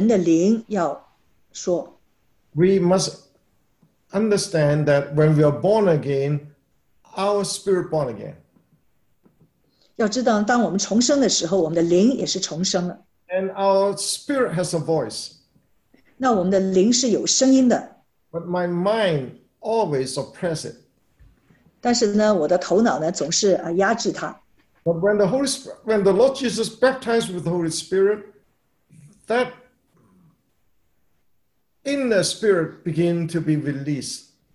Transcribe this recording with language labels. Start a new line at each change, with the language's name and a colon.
Chinese: 就是当我说方言的时候，是我的灵，是人的灵要说。
English: We must understand that when we are born again, our spirit born again.
Chinese: 要知道，当我们重生的时候，我们的灵也是重生了。
English: And our spirit has a voice.
Chinese: 那我们的灵是有声音的。But
English: my mind always oppresses it.
Chinese: 但是呢，我的头脑呢，总是压制它。
English: But when the Holy Spirit, when the Lord Jesus baptized with the Holy Spirit, that inner spirit began to be released.